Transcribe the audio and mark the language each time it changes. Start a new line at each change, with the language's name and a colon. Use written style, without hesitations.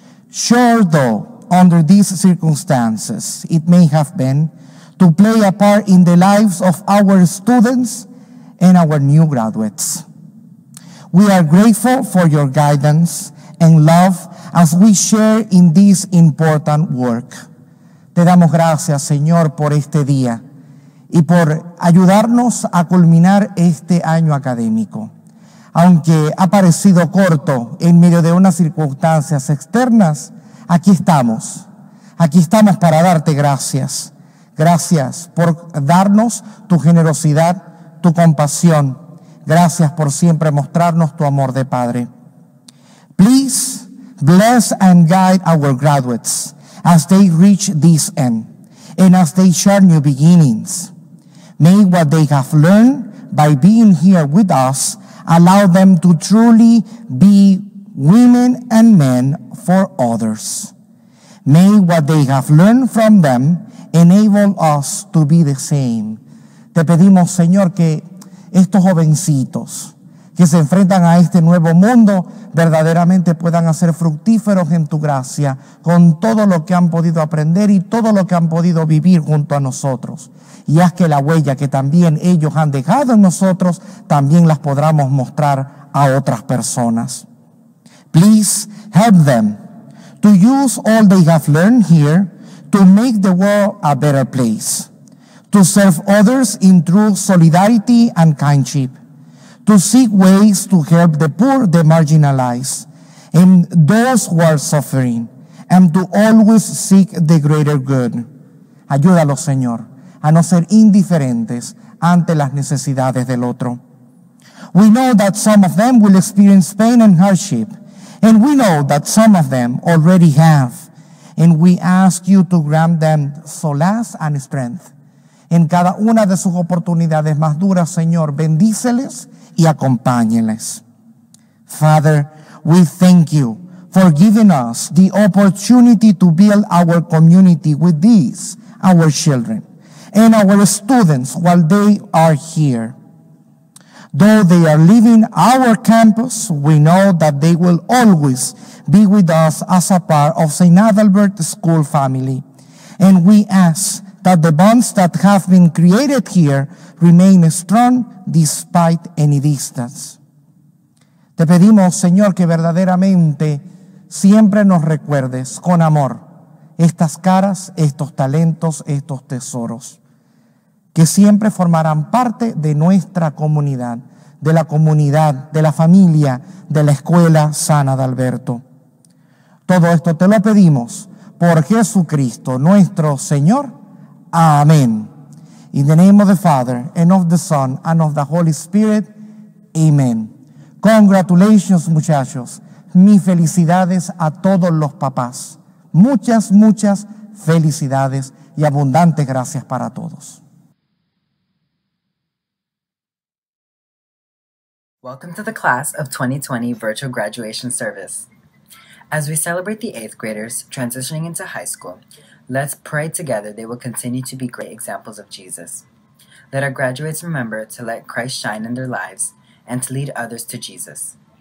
English: Sure though, under these circumstances, it may have been to play a part in the lives of our students and our new graduates. We are grateful for your guidance and love as we share in this important work.
Spanish: Te damos gracias, Señor, por este día y por ayudarnos a culminar este año académico. Aunque ha parecido corto en medio de unas circunstancias externas, aquí estamos. Aquí estamos para darte gracias. Gracias por darnos tu generosidad, tu compasión. Gracias por siempre mostrarnos tu amor de Padre.
English: Please bless and guide our graduates as they reach this end, and as they share new beginnings. May what they have learned by being here with us allow them to truly be women and men for others. May what they have learned from them enable us to be the same.
Spanish: Te pedimos, Señor, que estos jovencitos que se enfrentan a este nuevo mundo verdaderamente puedan hacer fructíferos en tu gracia con todo lo que han podido aprender y todo lo que han podido vivir junto a nosotros. Y haz que la huella que también ellos han dejado en nosotros también las podamos mostrar a otras personas.
English: Please help them to use all they have learned here to make the world a better place, to serve others in true solidarity and kindship, to seek ways to help the poor, the marginalized, and those who are suffering, and to always seek the greater good.
Spanish: Ayúdalos, Señor, a no ser indiferentes ante las necesidades del otro.
English: We know that some of them will experience pain and hardship, and we know that some of them already have, and we ask you to grant them solace and strength.
Spanish: En cada una de sus oportunidades más duras, Señor, bendíceles y acompáñeles.
English: Father, we thank you for giving us the opportunity to build our community with these, our children, and our students while they are here. Though they are leaving our campus, we know that they will always be with us as a part of St. Adalbert School family. And we ask that the bonds that have been created here remain strong despite any distance.
Spanish: Te pedimos, Señor, que verdaderamente siempre nos recuerdes con amor estas caras, estos talentos, estos tesoros, que siempre formarán parte de nuestra comunidad, de la comunidad, de la familia, de la escuela San Adalberto. Todo esto te lo pedimos por Jesucristo, nuestro Señor. Amén.
English: In the name of the Father, and of the Son, and of the Holy Spirit.
Spanish: Amén.
English: Congratulations,
Spanish: muchachos. Mis felicidades a todos los papás. Muchas, muchas felicidades y abundantes gracias para todos.
English: Welcome to the class of 2020 virtual graduation service. As we celebrate the eighth graders transitioning into high school, let's pray together they will continue to be great examples of Jesus. Let our graduates remember to let Christ shine in their lives and to lead others to Jesus.